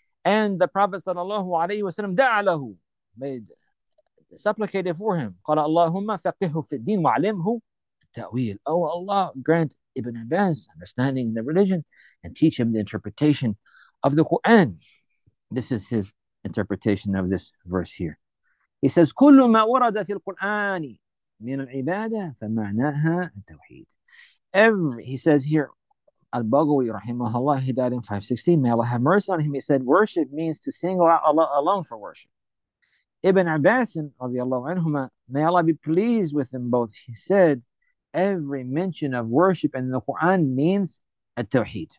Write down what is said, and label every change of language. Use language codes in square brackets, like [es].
[en] And the Prophet, sallallahu alayhi wa sallam, da'alahu, made supplicated for him. [ar] قَالَ اللَّهُمَّ فَقِّهُ فِي الدِّينِ وَعْلِمْهُ التَّأْوِيلِ. [en] Oh Allah, grant Ibn Abbas understanding in the religion and teach him the interpretation of the Qur'an. This is his interpretation of this verse here. He says, [ar] كُلُّ مَا وَرَدَ فِي الْقُرْآنِ مِنَ الْعِبَادَةِ فَمَعْنَاهَا التَّوْحِيدِ. [en] He says here, Al-Baghawi rahimahullah, he died in 516. May Allah have mercy on him. He said, worship means to single out Allah alone for worship. Ibn Abbas, may Allah be pleased with them both, he said, every mention of worship in the Quran means at-tawheed.